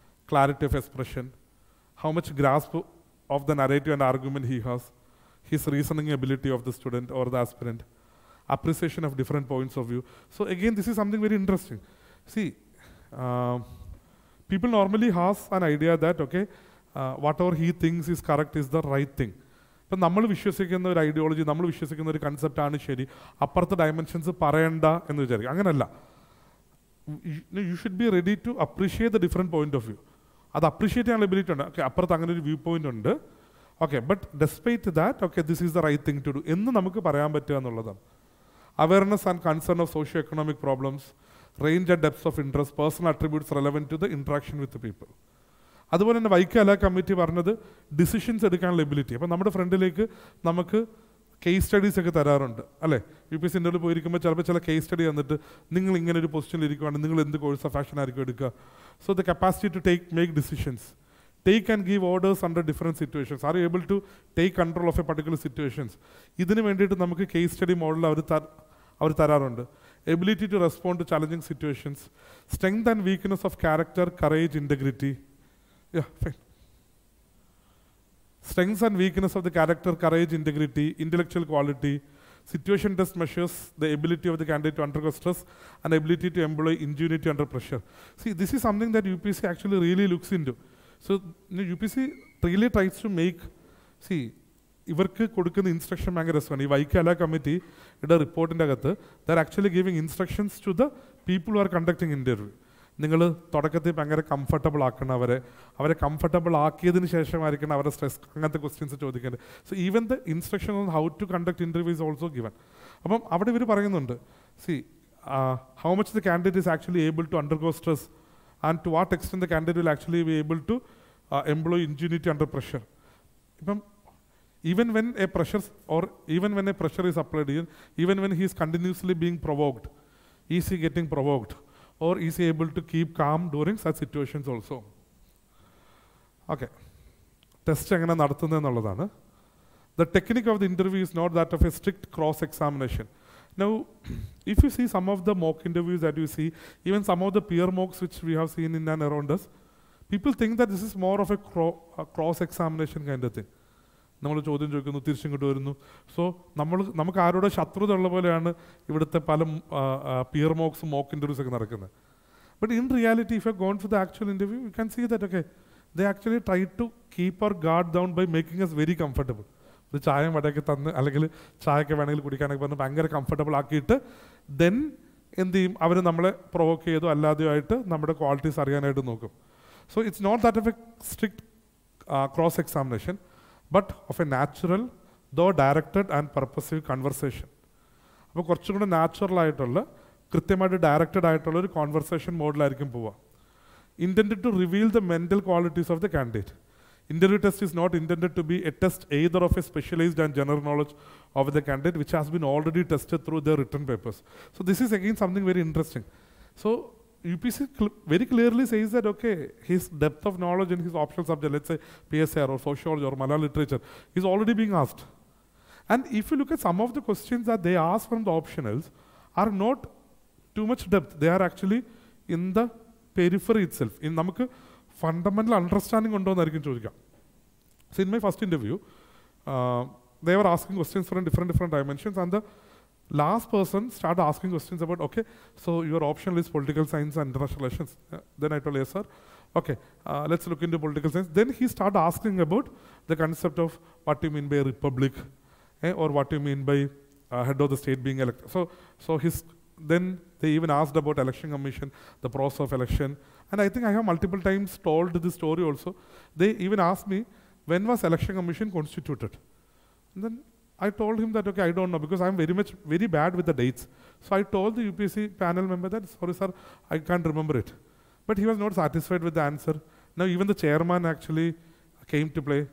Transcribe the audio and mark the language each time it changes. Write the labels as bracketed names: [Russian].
[English] Clarity of expression, how much grasp of the narrative and argument he has, his reasoning ability of the student or the aspirant, appreciation of different points of view. So again, this is something very interesting. See, people normally has an idea that, okay, whatever he thinks is correct is the right thing. [Malayalam] ഇപ്പം നമ്മൾ വിശ്വസിക്കുന്ന ഒരു ideology, നമ്മൾ വിശ്വസിക്കുന്ന ഒരു കൺസെപ്റ്റാണ് ശരി, അപ്പുറത്തെ dimensions പറയണ്ട എന്ന് വിചാരിക്കും. അങ്ങനല്ല, [English] You should be ready to appreciate the different point of view. അത് appreciate ചെയ്യാൻ ability ഉണ്ട്, okay, അപ്പുറത്ത് അങ്ങനെ ഒരു വ്യൂ പോയിന്റ് ഉണ്ട്, okay, but despite that, okay, this is the right thing to do [Malayalam] എന്ന് നമുക്ക് പറയാൻ പറ്റുക എന്നുള്ളതാണ്. [English] Awareness and concern of socio economic problems, range and depths of interest, personal attributes relevant to the interaction with people. [Malayalam] അതുപോലെ തന്നെ വൈക്കല committee പറഞ്ഞത് decisions എടുക്കാനുള്ള ability. അപ്പം നമ്മുടെ ഫ്രണ്ടിലേക്ക് നമുക്ക് കേസ് സ്റ്റഡീസ് ഒക്കെ തരാറുണ്ട് അല്ലേ. യു പി എസ് ഇൻ്റർവ്യൂ പോയിരിക്കുമ്പോൾ ചിലപ്പോൾ ചില കേസ് സ്റ്റഡി തന്നിട്ട് നിങ്ങൾ ഇങ്ങനെ ഒരു പൊസിഷനിൽ ഇരിക്കുവാണെങ്കിൽ നിങ്ങൾ എന്ത് കോഴ്സ് ഓഫ് ആക്ഷൻ ആയിരിക്കും എടുക്കുക. [English] So the capacity to take make decisions, take and give orders under different situations, are able to take control of a particular situations. [Malayalam] ഇതിന് വേണ്ടിയിട്ട് നമുക്ക് കേസ് സ്റ്റഡി മോഡൽ അവർ തരാറുണ്ട്. [English] Ability to respond to challenging situations, strength and weakness of character, courage, integrity. Strengths and weaknesses of the character, courage, integrity, intellectual quality. Situation test measures the ability of the candidate to undergo stress and ability to employ ingenuity under pressure. See, this is something that UPSC actually really looks into. So, UPSC really tries to make, see, [Malayalam] ഇവർക്ക് കൊടുക്കുന്ന instruction ഭയങ്കര രസമാണ്. ഈ വൈക്കല കമ്മിറ്റിയുടെ റിപ്പോർട്ടിൻ്റെ അകത്ത് [English] They're actually giving instructions to the people are conducting interview. [Malayalam] നിങ്ങൾ തുടക്കത്തിൽ ഭയങ്കര കംഫർട്ടബിൾ ആക്കണം അവരെ, അവരെ കംഫർട്ടബിൾ ആക്കിയതിന് ശേഷമായിരിക്കണം അവരുടെ സ്ട്രെസ് അങ്ങനത്തെ ക്വസ്റ്റ്യൻസ് ചോദിക്കേണ്ടത്. [English] So even the instruction on how to conduct interview is also given. [Malayalam] അപ്പം അവിടെ ഇവർ പറയുന്നുണ്ട്, [English] See how much the candidate is actually able to undergo stress and to what extent the candidate actually be able to employ ingenuity under pressure. ഇപ്പം even when a pressure or even when a pressure is applied ചെയ്യും, even when he is continuously being provoked, is he getting provoked or is he able to keep calm during such situations also. [Malayalam] Okay, test engana nadathunnu ennalladana. [English] The technique of the interview is not that of a strict cross examination. Now if you see some of the mock interviews that you see, even some of the peer mocks which we have seen in and around us, people think that this is more of a cross examination kind of thing. [Malayalam] നമ്മൾ ചോദ്യം ചോദിക്കുന്നു, തിരിച്ചും ഇങ്ങോട്ട് വരുന്നു. So നമ്മൾ നമുക്ക് ആരോട് ശത്രുത ഉള്ള പോലെയാണ് ഇവിടുത്തെ പല പിയർ മോക്സും മോക്ക് ഇൻ്റർവ്യൂസ് ഒക്കെ നടക്കുന്നത്. [English] But in reality if you gone for the actual interview, you can see that okay they actually try to keep our guard down by making us very comfortable. [Malayalam] ഒരു ചായം വടയൊക്കെ തന്ന് അല്ലെങ്കിൽ ചായയൊക്കെ വേണമെങ്കിൽ കുടിക്കാനൊക്കെ പറഞ്ഞ് ഭയങ്കര കംഫർട്ടബിൾ ആക്കിയിട്ട് ദെൻ എന്ത് ചെയ്യും, അവർ നമ്മളെ പ്രൊവോക്ക് ചെയ്തോ അല്ലാതെയോ ആയിട്ട് നമ്മുടെ ക്വാളിറ്റീസ് അറിയാനായിട്ട് നോക്കും. [English] So it's not that of a strict cross examination, but of a natural though directed and purposive conversation. [Malayalam] അപ്പോൾ കുറച്ചും കൂടെ നാച്ചുറലായിട്ടുള്ള, കൃത്യമായിട്ട് ഡയറക്റ്റഡ് ആയിട്ടുള്ള ഒരു കോൺവെർസേഷൻ മോഡിലായിരിക്കും പോവുക. [English] Intend to reveal the mental qualities of the candidate. Interview test is not intended to be a test either of a specialized and general knowledge of the candidate which has been already tested through their written papers. So this is again something very interesting. So UPSC very clearly says that, okay, his depth of knowledge in his optional subject, let's say PSR or sociology or Malayalam literature, is already being asked. And if you look at some of the questions that they ask from the optionals are not too much depth. They are actually in the periphery itself. [Malayalam] In namak fundamental understanding ഉണ്ടോയെന്നായിരിക്കും ചോദിക്കാം. [English] So in my first interview they were asking questions from different dimensions and the last person start asking questions about, okay so your option is political science and international relations. Then I told yes sir, okay let's look into political science. Then he start asking about the concept of what you mean by republic or what you mean by head of the state being elect. So he's then they even asked about election commission, the process of election. And I think I have multiple times told this story also. They even asked me, when was election commission constituted? And then I told him that, okay, I don't know, because I'm very much, very bad with the dates. So I told the UPSC panel member that, sorry sir, I can't remember it. But he was not satisfied with the answer. Now even the chairman actually came to play.